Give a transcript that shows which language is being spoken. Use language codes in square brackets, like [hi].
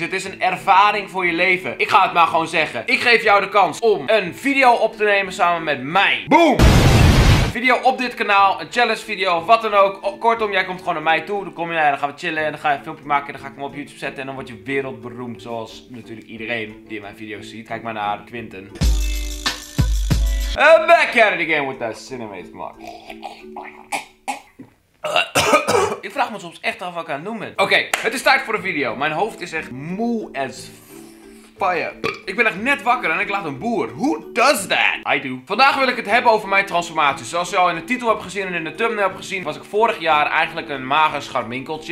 [nl] Het is een ervaring voor je leven. Ik ga het maar gewoon zeggen. Ik geef jou de kans om een video op te nemen samen met mij. Boom! Video op dit kanaal, een challenge video of wat dan ook. Kortom, jij komt gewoon naar mij toe. Dan kom je naar, dan gaan we chillen en dan ga je een filmpje maken. Dan ga ik hem op YouTube zetten en dan word je wereldberoemd. Zoals natuurlijk iedereen die mijn video's ziet. Kijk maar naar Quinten. [en] I'm back at it again with that cinemate mark. [nl] Ik vraag me soms echt af wat ik aan het doen ben. Oké, het is tijd voor de video. Mijn hoofd is echt moe [en] as fire. [nl] Ik ben echt net wakker en ik laat een boer. [en] Who does that? I do. [nl] Vandaag wil ik het hebben over mijn transformatie. Zoals je al in de titel hebt gezien en in de thumbnail hebt gezien, was ik vorig jaar eigenlijk een mager scharminkeltje.